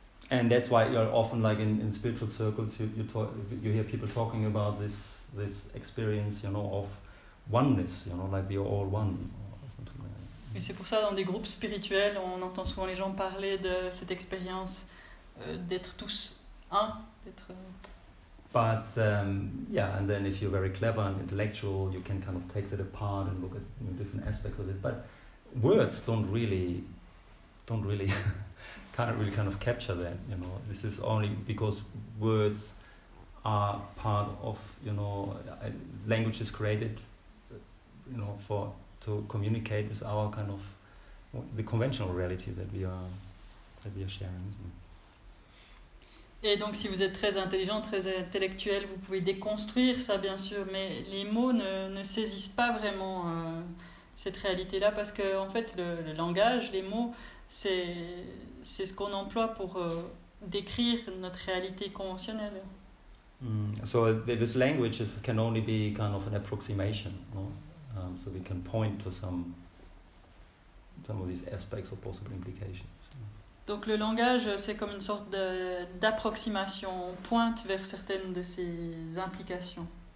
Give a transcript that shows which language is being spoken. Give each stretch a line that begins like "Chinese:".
English: And that's why you're often, like in spiritual circles, you hear people talking about this experience, you know, of oneness, you know, like we are all one.
French: Et c'est pour ça, dans des groupes spirituels, on entend souvent les gens parler de cette expérience d'être tous un, d'être.
English: But yeah, and then if you're very clever and intellectual, you can kind of take that apart and look at, you know, different aspects of it. But words don't really can't really kind of capture that. You know, this is only because words are part of, you know, language is created, you know, for. To communicate with our kind of the conventional reality that we are sharing.
French: Et donc, si vous êtes très intelligent, très intellectuel, vous pouvez déconstruire ça, bien sûr. Mais les mots ne saisissent pas vraiment cette réalité-là, parce que en fait, le langage, les mots, c'est ce qu'on emploie pour décrire notre réalité conventionnelle.
English: So this language can only be kind of an approximation, no? So we can point to some of these aspects or possible implications.
French: Donc le langage, c'est comme une sorte d'approximation, on pointe vers certaines de ces implications.